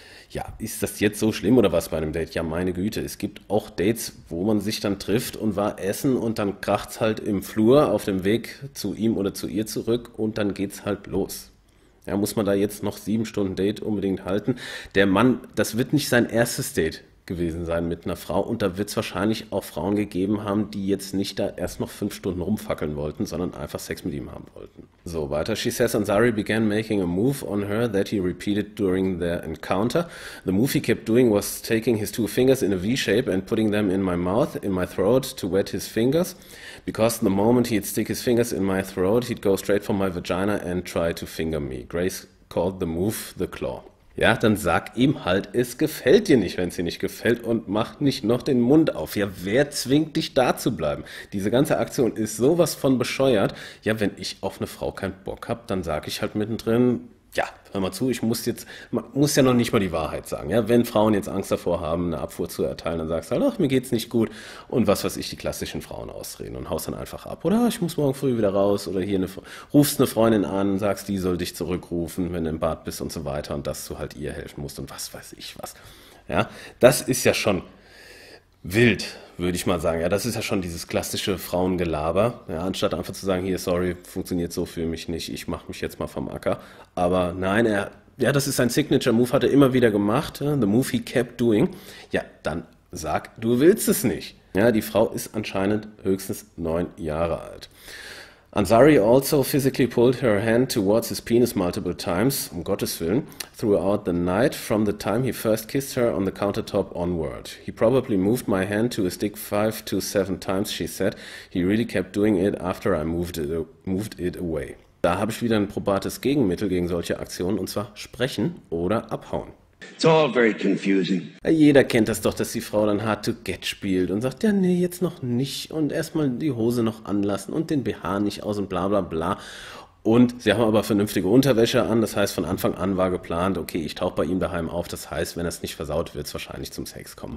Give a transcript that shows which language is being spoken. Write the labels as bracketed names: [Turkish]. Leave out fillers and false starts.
[German] Ja, ist das jetzt so schlimm oder was bei einem Date? Ja, meine Güte, es gibt auch Dates, wo man sich dann trifft und war essen und dann kracht's halt im Flur auf dem Weg zu ihm oder zu ihr zurück und dann geht's halt los. Ja, muss man da jetzt noch 7 Stunden Date unbedingt halten? Der Mann, das wird nicht sein erstes Date gewesen sein mit einer Frau und da wird es wahrscheinlich auch Frauen gegeben haben, die jetzt nicht da erst noch 5 Stunden rumfackeln wollten, sondern einfach Sex mit ihm haben wollten. So, weiter. [English] She says Ansari began making a move on her that he repeated during their encounter. The move he kept doing was taking his 2 fingers in a V-shape and putting them in my mouth, in my throat to wet his fingers. Because the moment he'd stick his fingers in my throat, he'd go straight for my vagina and try to finger me. Grace called the move the claw. [German] Ja, dann sag ihm halt, es gefällt dir nicht, wenn es dir nicht gefällt und mach nicht noch den Mund auf. Ja, wer zwingt dich da zu bleiben? Diese ganze Aktion ist sowas von bescheuert. Ja, wenn ich auf eine Frau keinen Bock habe, dann sag ich halt mittendrin, ja, hör mal zu, ich muss jetzt, man muss ja noch nicht mal die Wahrheit sagen. Ja, wenn Frauen jetzt Angst davor haben, eine Abfuhr zu erteilen, dann sagst du halt, ach, mir geht's nicht gut und was weiß ich, die klassischen Frauen ausreden und haust dann einfach ab. Oder ich muss morgen früh wieder raus oder hier rufst eine Freundin an, sagst, die soll dich zurückrufen, wenn du im Bad bist und so weiter und dass du halt ihr helfen musst und was weiß ich was. Ja, das ist ja schon wild, würde ich mal sagen. Ja, das ist ja schon dieses klassische Frauengelaber. Ja, anstatt einfach zu sagen, hier, sorry, funktioniert so für mich nicht, ich mache mich jetzt mal vom Acker. Aber nein, ja, das ist sein Signature-Move, hat er immer wieder gemacht. [English] The move he kept doing. [German] Ja, dann sag, du willst es nicht. Ja, die Frau ist anscheinend höchstens 9 Jahre alt. [English] Ansari also physically pulled her hand towards his penis multiple times, [German] um Gottes Willen, [English] throughout the night, from the time he first kissed her on the countertop onward. He probably moved my hand to his dick 5 to 7 times, she said. He really kept doing it after I moved it away. [German] Da habe ich wieder ein probates Gegenmittel gegen solche Aktionen, und zwar sprechen oder abhauen. [English] It's all very confusing. [German] Jeder kennt das doch, dass die Frau dann [English] hard to get [German] spielt und sagt, ja, nee, jetzt noch nicht und erstmal die Hose noch anlassen und den BH nicht aus und bla bla bla. Und sie haben aber vernünftige Unterwäsche an, das heißt, von Anfang an war geplant, okay, ich tauche bei ihm daheim auf, das heißt, wenn das nicht versaut, wird es wahrscheinlich zum Sex kommen.